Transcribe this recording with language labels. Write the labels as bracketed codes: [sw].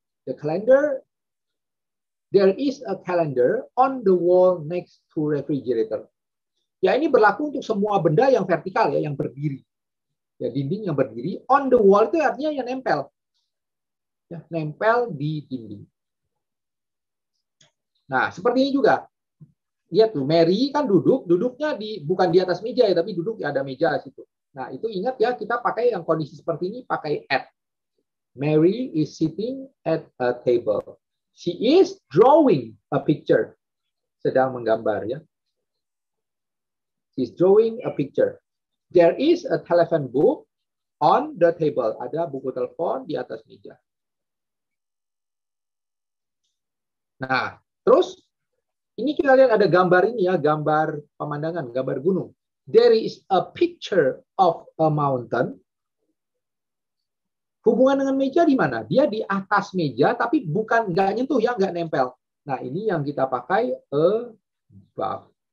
[en] The calendar, there is a calendar on the wall next to refrigerator. [id] Ya, ini berlaku untuk semua benda yang vertikal ya, yang berdiri. Ya, dinding yang berdiri, [en] on the wall [id] itu artinya yang nempel. Ya, nempel di dinding. Nah, seperti ini juga. Lihat tuh, Mary kan duduknya di bukan di atas meja ya, tapi duduk ya ada meja di situ. Nah, itu ingat ya, kita pakai yang kondisi seperti ini, pakai at. [en] Mary is sitting at a table. She is drawing a picture. [id] Sedang menggambar ya. [en] She's drawing a picture. There is a telephone book on the table. [id] Ada buku telepon di atas meja. Nah, terus ini kita lihat ada gambar ini ya, gambar pemandangan, gambar gunung. [en] There is a picture of a mountain. [id] Hubungan dengan meja di mana? Dia di atas meja, tapi bukan, nggak nyentuh ya, nggak nempel. Nah, ini yang kita pakai above.